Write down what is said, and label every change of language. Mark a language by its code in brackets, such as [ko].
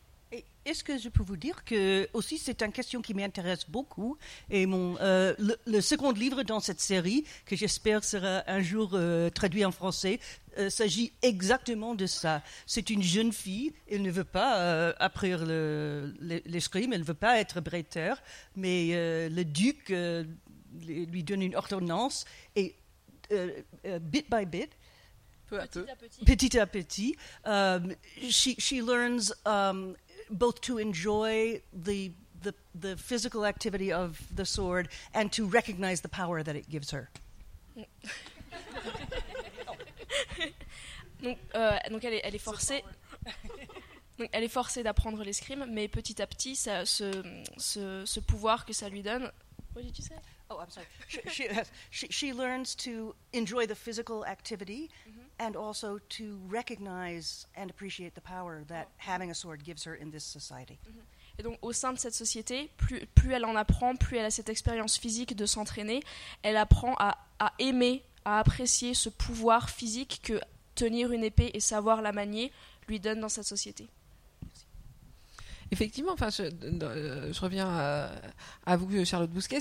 [fr] Et est-ce que je peux vous dire que, aussi, c'est une question qui m'intéresse beaucoup, et le second livre dans cette série, que j'espère sera un jour traduit en français, s'agit exactement de ça. C'est une jeune fille, elle ne veut pas apprendre l'escrime, elle ne veut pas être bretteur, mais le duc lui donne une ordonnance, et [en] bit by bit, [fr] petit à petit, [en] she learns... both to enjoy the physical activity of the sword and to recognize the power that it gives her. [fr] Donc elle est forcée. Donc elle est forcée d'apprendre l'escrime, mais petit à petit, ça, ce pouvoir que ça lui donne. [en] What did you say? Oh, I'm sorry. She learns to enjoy the physical activity, mm-hmm. and also to recognize and appreciate the power that having a sword gives her in this society. Mm-hmm. [fr] Et donc, au sein de cette société, plus elle en apprend, plus elle a cette expérience physique de s'entraîner, elle apprend à aimer, à apprécier ce pouvoir physique que tenir une épée et savoir la manier lui donne dans cette société. Effectivement, enfin, je reviens à vous, Charlotte Bousquet.